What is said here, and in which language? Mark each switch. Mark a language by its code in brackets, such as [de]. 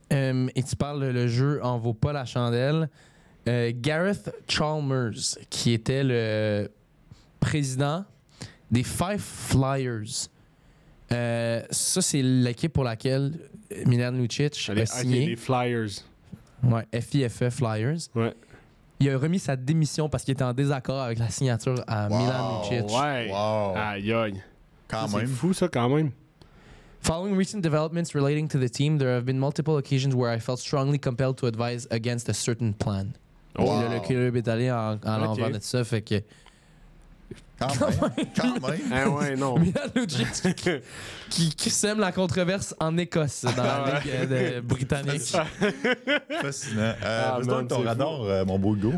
[fr] Et tu parles, le jeu n'en vaut pas la chandelle. Gareth Chalmers, qui était le président des Five Flyers. Ça, c'est l'équipe pour laquelle Milan Lucic a signé. Les Flyers. Ouais, FIFF Flyers. Ouais. Il a remis sa démission parce qu'il était en désaccord avec la signature à Milan Lucic. Ouais. Wow. Aïe, aïe. Quand c'est même. Fou, ça, quand même. [en] Following recent developments relating to the team, there have been multiple occasions where I felt strongly compelled to advise against a certain plan. Wow. [fr] Le club est allé en l'envers de ça, fait que... Quand même. Eh ouais, non. Lucic qui sème la controverse en Écosse, dans la ligue britannique. Fascinant. Donc, ton radar, mon beau Hugo.